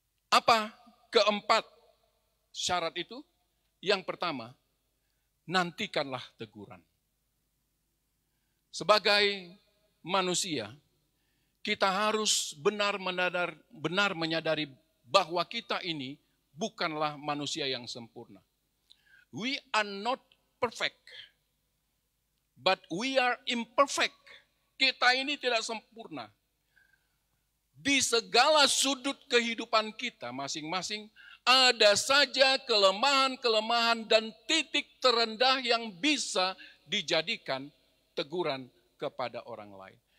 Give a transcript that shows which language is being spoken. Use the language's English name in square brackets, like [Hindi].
[Indonesian] Apa keempat syarat itu? Yang pertama, nantikanlah teguran. Sebagai manusia, kita harus benar menyadari bahwa kita ini bukanlah manusia yang sempurna. [English] We are not perfect, but we are imperfect. [Indonesian] Kita ini tidak sempurna. Di segala sudut kehidupan kita masing-masing, ada saja kelemahan-kelemahan dan titik terendah yang bisa dijadikan teguran kepada orang lain.